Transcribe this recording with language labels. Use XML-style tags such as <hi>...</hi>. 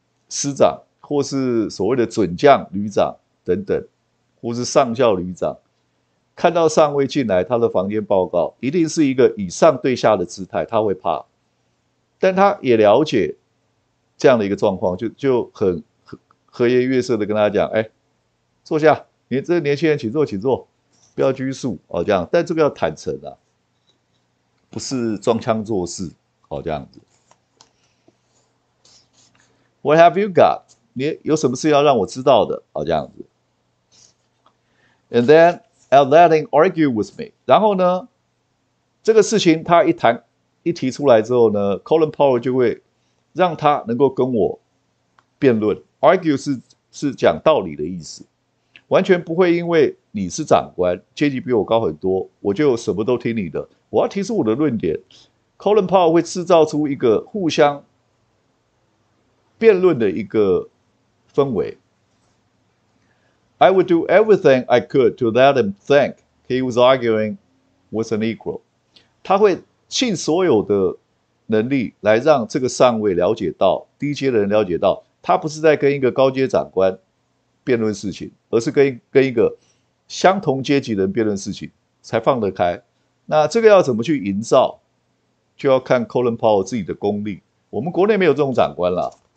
<zh>师长，或是所谓的准将、旅长等等，或是上校、旅长，看到上尉进来他的房间报告，一定是一个以上对下的姿态，他会怕，但他也了解这样的一个状况，就很和颜悦色的跟他讲：“哎，坐下，你这年轻人，请坐，请坐，不要拘束哦。” 这样，但这个要坦诚啊，不是装腔作势哦，这样子。</zh> <en>What have you got？</en> <zh>你有什么事要让我知道的？好，这样子。</zh> <en>And then I'll let him argue with me。</en> <zh>然后呢，这个事情他一谈一提出来之后呢，Colin Powell 就会让他能够跟我辩论。 Argue 是讲道理的意思，完全不会因为你是长官，阶级比我高很多，我就什么都听你的。我要提出我的论点，Colin Powell 会制造出一个互相。辩论的一个氛围。</zh> <en>I would do everything I could to let him think he was arguing with an equal。</en> <zh>他会尽所有的能力来让这个上尉了解到，低阶的人了解到，他不是在跟一个高阶长官辩论事情，而是跟一个相同阶级人辩论事情，才放得开。那这个要怎么去营造，就要看 Colin Powell 自己的功力。我们国内没有这种长官了。</zh>